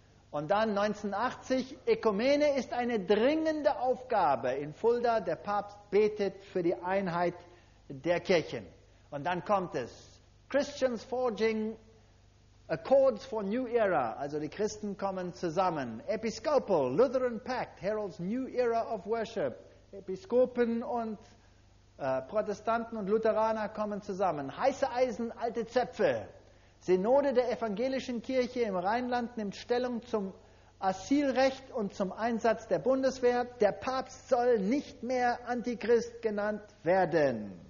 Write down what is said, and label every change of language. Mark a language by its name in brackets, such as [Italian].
[German] Und dann 1980, Ökumene ist eine dringende Aufgabe in Fulda. Der Papst betet für die Einheit der Kirchen. Und dann kommt es, [English] Christians forging Accords for New Era, [German] also die Christen kommen zusammen. [English] Episcopal, Lutheran Pact, heralds New Era of Worship. [German] Episkopen und Protestanten und Lutheraner kommen zusammen. Heiße Eisen, alte Zöpfe. Synode der evangelischen Kirche im Rheinland nimmt Stellung zum Asylrecht und zum Einsatz der Bundeswehr. Der Papst soll nicht mehr Antichrist genannt werden.